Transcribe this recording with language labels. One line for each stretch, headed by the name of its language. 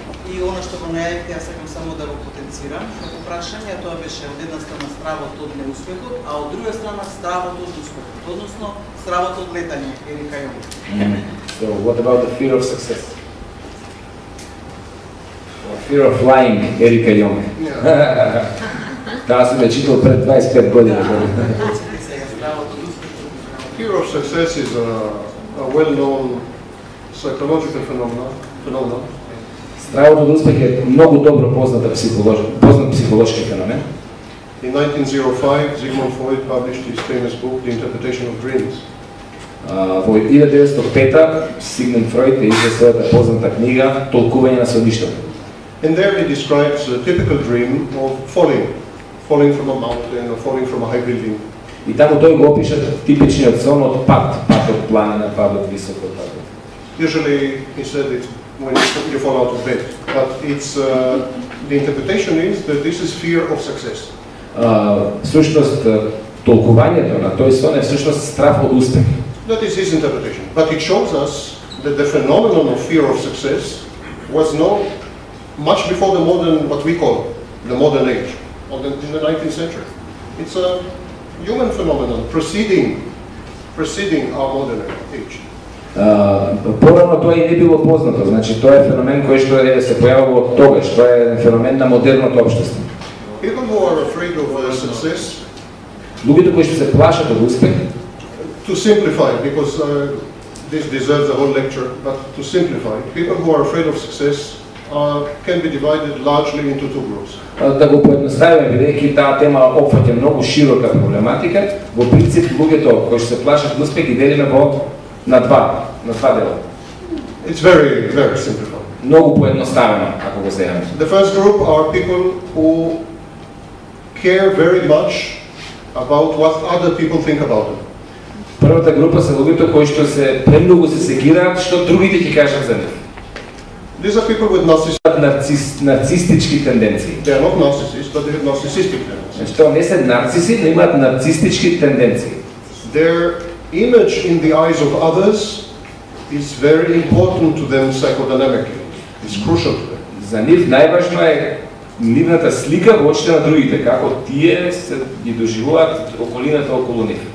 Macedonian: И оно што го најавите, јас сакам само да го потенцирам. Како прашање, тоа беше од една страна стравот од неуспехот, а од друга страна стравот од успехот, односно стравот од летање, Ерика Јон.
English: So, what about the fear of success? Or fear of flying, Ерика Јон.
Macedonian: Таа се ме читал пред 25 години. Да,
English: fear of success is a well-known psychological phenomenon.
Macedonian: Стравот од успех е многу добро познат психолошки феномен.
English: In 1905, Sigmund Freud published his famous book, The Interpretation of Dreams.
Macedonian: Во 1905, Sigmund Freud е издал својата позната книга Толкување на сонништвото.
English: And there he describes a typical dream of falling from a mountain or falling from a high building.
Macedonian: И таму тој го опиша типичниот сон од пад од планина, пад од високо падот.
English: Usually he said it when you fall out of bed, but it's the interpretation is that this is fear of success.
Macedonian: Всушност толкувањето на тој сон е всушност страф од успех.
English: That is his interpretation, but it shows us that the phenomenon of fear of success was known much before the modern, what we call the modern age, or in the 19th century. It's a human phenomenon preceding our modern age.
Macedonian: Порано тоа и не било познато, значи тоа е феномен кој што е се појавува од тогаш, тоа е феномен на модерното општество.
English: People who are afraid of success,
Macedonian: луѓето кои што се плашат од успех,
English: to simplify, because this deserves a whole lecture, but to simplify, people who are afraid of success can be divided largely into two groups.
Macedonian: Да го поедноставиме, бидејќи таа тема опфаќа многу широка проблематика, во принцип луѓето кои што се плашат од успех ги делиме во на два дела.
English: It's very simplified.
Macedonian: Многу поедноставено, ако го земеме.
English: The first group are people who care very much about what other people think about them.
Macedonian: Првата група се луѓето кои што се премногу се сегираат што другите ќе кажат за нив.
English: These are people with narcissistic
Macedonian: нарцистички тенденции.
English: They are not narcissists, but they have narcissistic tendencies.
Macedonian: Што не се нарциси, но имаат нарцистички тенденции.
English: Their image in the eyes of others is very important to them psychodynamically. It's crucial to them.
Macedonian: За нив најважно е нивната слика во очите на другите, како тие се ги доживуваат околината околу нив.